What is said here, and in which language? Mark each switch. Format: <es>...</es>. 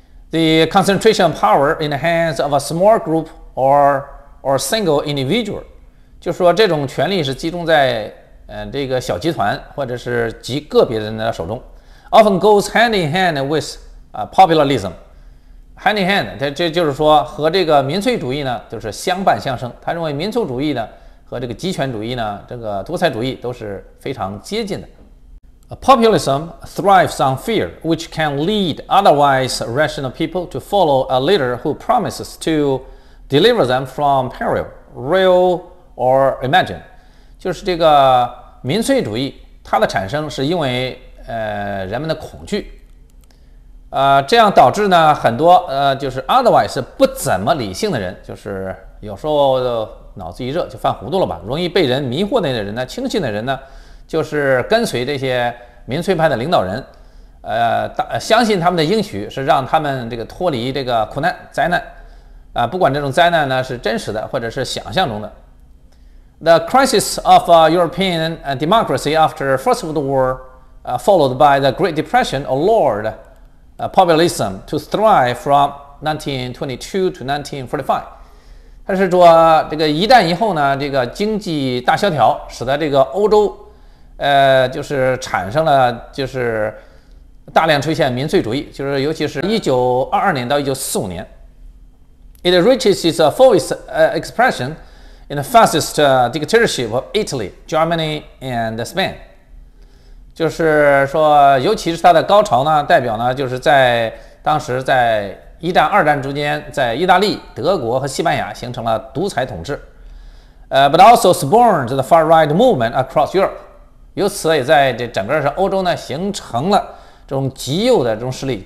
<en>The concentration of power in the hands of a small group or single individual，</en> <zh>就说这种权力是集中在这个小集团或者是极个别人的手中。</zh> <en>Often goes hand in hand with populism。 Hand in hand，</en> <zh>这就是说和这个民粹主义呢，就是相伴相生。他认为民粹主义呢和这个集权主义呢，这个独裁主义都是非常接近的。</zh> <en>Populism thrives on fear, which can lead otherwise rational people to follow a leader who promises to deliver them from peril, real or imagined。</en> <zh>就是这个民粹主义，它的产生是因为人们的恐惧，这样导致呢很多就是 otherwise 不怎么理性的人，就是有时候脑子一热就犯糊涂了吧，容易被人迷惑的那些人呢，轻信的人呢。就是跟随这些民粹派的领导人，相信他们的应许是让他们这个脱离这个苦难灾难，不管这种灾难呢是真实的或者是想象中的。</zh> <en>The crisis of European democracy after First World War, followed by the Great Depression, allowed populism to thrive from 1922 to 1945。</en> <zh>他是说，这个一战以后呢，这个经济大萧条使得这个欧洲。就是产生了，就是大量出现民粹主义，就是尤其是1922年到1945年。</zh> <en>It reaches its fullest expression in the fascist dictatorship of Italy, Germany, and Spain。</en> <zh>就是说，尤其是它的高潮呢，代表呢，就是在当时在一战、二战中间，在意大利、德国和西班牙形成了独裁统治。</zh> <en>But also spawned the far right movement across Europe。</en> <zh>由此也在这整个是欧洲呢，形成了这种极右的这种势力。</zh>